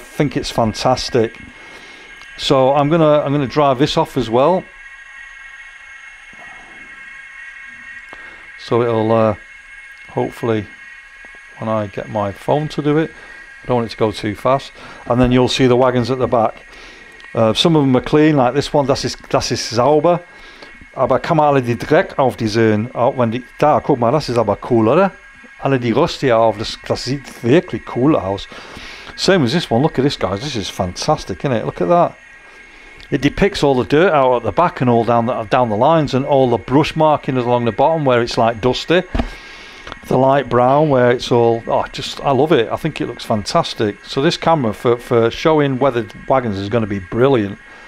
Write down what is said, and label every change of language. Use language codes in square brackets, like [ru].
[en] I think it's fantastic. So I'm gonna drive this off as well, so it'll hopefully, when I get my phone to do it, I don't want it to go too fast, and then you'll see the wagons at the back. Some of them are clean, like this one. [de] Das ist sauber. Aber kann man alle die Dreck auf die sehen? Auch wenn die, da, guck mal, das ist aber cool, oder? Alle die Rost hier auf, das sieht wirklich cool aus. [en] Same as this one. Look at this, guys. This is fantastic, isn't it? Look at that. It depicts all the dirt out at the back and all down the lines, and all the brush markings along the bottom where it's like dusty. The light brown where it's all, oh, just, I love it. I think it looks fantastic. So this camera for showing weathered wagons is going to be brilliant.